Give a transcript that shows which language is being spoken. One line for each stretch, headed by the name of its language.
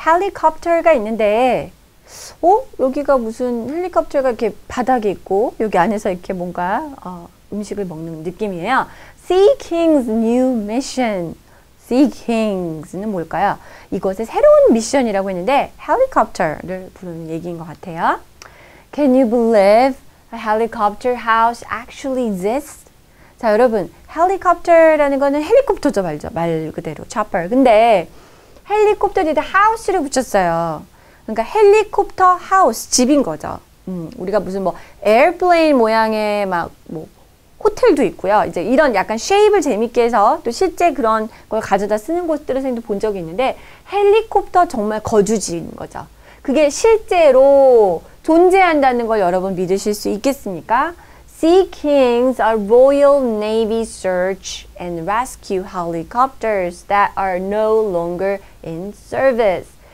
Korean: 헬리콥터가 있는데, 어? 여기가 무슨 헬리콥터가 이렇게 바닥에 있고, 여기 안에서 이렇게 뭔가 음식을 먹는 느낌이에요.
English: Seeking's new mission. Seeking's는
Korean: 뭘까요? 이것의 새로운 미션이라고 했는데, 헬리콥터를 부르는 얘기인 것 같아요.
English: Can you believe a helicopter house actually exists?
Korean: 자, 여러분, 헬리콥터라는 거는 헬리콥터죠, 말죠. 말 그대로, chopper. 근데 헬리콥터에다 하우스를 붙였어요. 그러니까 헬리콥터 하우스, 집인 거죠. 우리가 무슨 뭐 에어플레인 모양의 막 뭐 호텔도 있고요. 이제 이런 약간 쉐입을 재밌게 해서 또 실제 그런 걸 가져다 쓰는 곳들을 선생님도 본 적이 있는데 헬리콥터 정말 거주지인 거죠. 그게 실제로 존재한다는 걸 여러분 믿으실 수 있겠습니까?
English: Seekings are Royal Navy search and rescue helicopters that are no longer in service.